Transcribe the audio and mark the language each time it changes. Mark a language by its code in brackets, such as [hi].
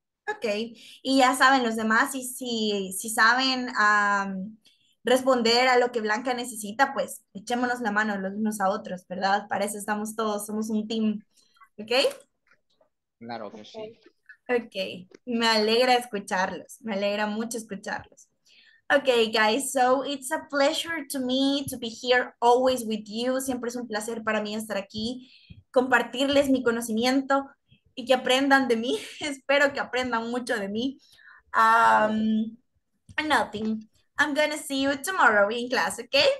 [es] Ok, y ya saben los demás, y si saben responder a lo que Blanca necesita, pues echémonos la mano los unos a otros, ¿verdad? Para eso estamos todos, somos un team, ¿ok? Claro que sí. Ok, me alegra escucharlos, me alegra mucho escucharlos. [en] Ok, guys, so it's a pleasure to me to be here always with you. [es] Siempre es un placer para mí estar aquí, compartirles mi conocimiento, y que aprendan de mí. Espero que aprendan mucho de mí. Nothing. [en] I'm gonna see you tomorrow in class, okay?